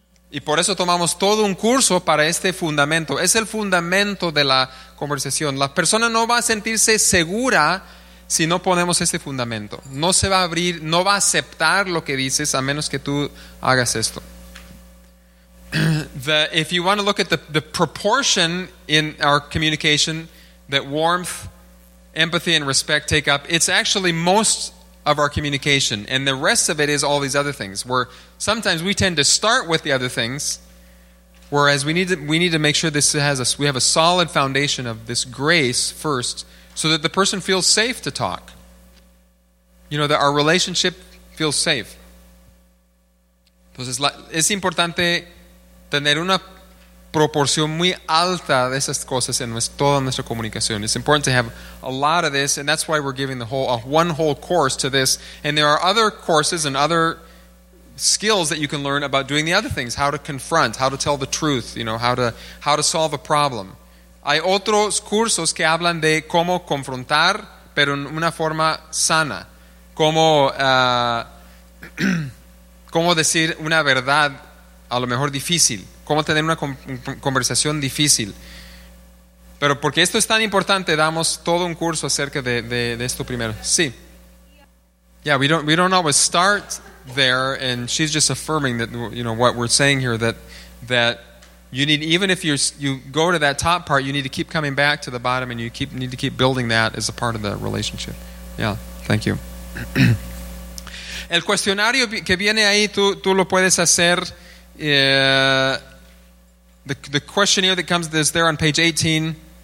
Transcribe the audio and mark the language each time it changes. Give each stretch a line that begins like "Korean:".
Spanish: Y por eso tomamos todo un curso para este fundamento. Es el fundamento de la conversación. La persona no va a sentirse segura si no ponemos este fundamento. No se va a abrir, no va a aceptar lo que dices a menos que tú hagas esto.
English: If you want to look at the proportion in our communication that warmth, empathy, and respect take up, it's actually most of our communication, and the rest of it is all these other things, where sometimes we tend to start with the other things, whereas we need to make sure this has us, we have a solid foundation of this grace first, so that the person feels safe to talk, you know, that our relationship feels safe.
Spanish: Entonces, es importante tener una proporción muy alta de esas cosas en toda nuestra comunicación.
English: It's important to have a lot of this, and that's why we're giving one whole course to this. And there are other courses and other skills that you can learn about doing the other things, how to confront, how to tell the truth, you know, how to solve a problem.
Spanish: Hay otros cursos que hablan de cómo confrontar, pero en una forma sana. Cómo decir una verdad, a lo mejor difícil. Cómo tener una conversación difícil. Pero porque esto es tan importante, damos todo un curso acerca de esto primero. Sí.
English: Yeah, we don't always start there, and she's just affirming that, you know, what we're saying here, that you need, even if you go to that top part, you need to keep coming back to the bottom, and you need to keep building that as a part of the relationship. Yeah, thank you.
Spanish: El cuestionario que viene ahí, tú lo puedes hacer.
English: The questionnaire that comes is there on page 18.